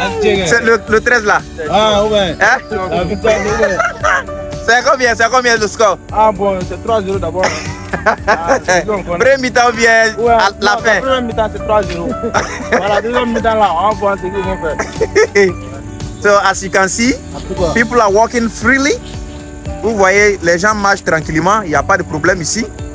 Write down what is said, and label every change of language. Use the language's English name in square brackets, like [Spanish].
[French] C'est le 13 là. Ah, ouais. Hein? C'est combien le score? Ah bon, c'est 3-0 d'abord. Première mi-temps ou bien la fin? Première mi-temps, c'est 3-0. Voilà, deuxième mi-temps là, on voit ce qu'ils ont fait. [English] So, as you can see, people are walking freely. [French] Vous voyez, les gens marchent tranquillement, il n'y a pas de problème ici.